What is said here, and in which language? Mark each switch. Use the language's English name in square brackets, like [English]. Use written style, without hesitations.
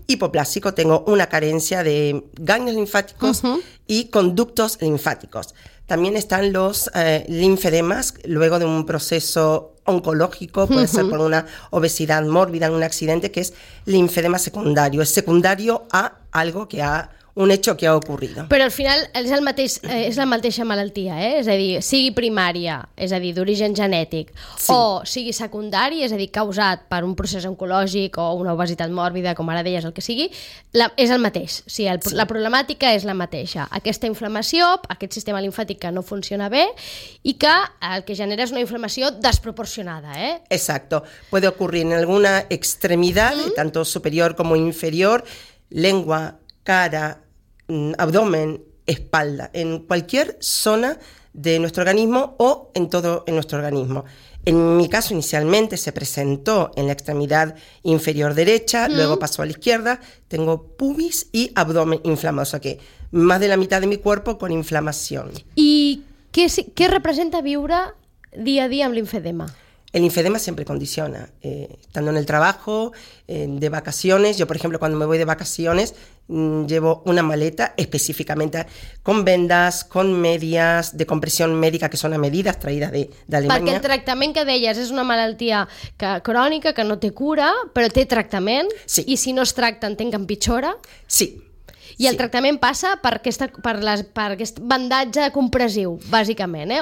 [Spanish] hipoplásico, tengo una carencia de ganglios linfáticos uh-huh. y conductos linfáticos. También están los linfedemas luego de un proceso oncológico, puede uh-huh. ser por una obesidad mórbida, en un accidente, que es linfedema secundario. Es secundario a algo que ha un hecho que ha ocurrido. [Catalan] Però al final és el mateix, és la mateixa malaltia, eh? És a dir, sigui primària, és a dir, d'origen genètic, sí. o sigui secundari, és a dir, causat per un procés oncològic o una obesitat mòrbida, com ara deies, el que sigui, és el mateix. O sigui, sí. La problemàtica és la mateixa. Aquesta inflamació, aquest sistema linfàtic que no funciona bé i que el que genera és una inflamació desproporcionada, eh? [Spanish] Exacto. Puede ocurrir en alguna extremidad, mm-hmm. tanto superior como inferior, lengua, cara, abdomen, espalda, en cualquier zona de nuestro organismo o en todo en nuestro organismo. En mi caso, inicialmente se presentó en la extremidad inferior derecha, mm. luego pasó a la izquierda, tengo pubis y abdomen inflamado, o sea que más de la mitad de mi cuerpo con inflamación. ¿Y qué representa [Catalan] viure [Spanish] día a día amb linfedema? El linfedema siempre condiciona, estando en el trabajo, de vacaciones. Yo, por ejemplo, cuando me voy de vacaciones, llevo una maleta específicamente con vendas, con medias de compresión médica, que son a medidas traídas de Alemania. [Catalan] Perquè el tractament que deies és una malaltia que, crònica, que no té cura, però té tractament. Sí. I si no es tracta, entenc que empitjora. Sí. I el tractament passa per aquest bandatge compressiu, bàsicament, eh?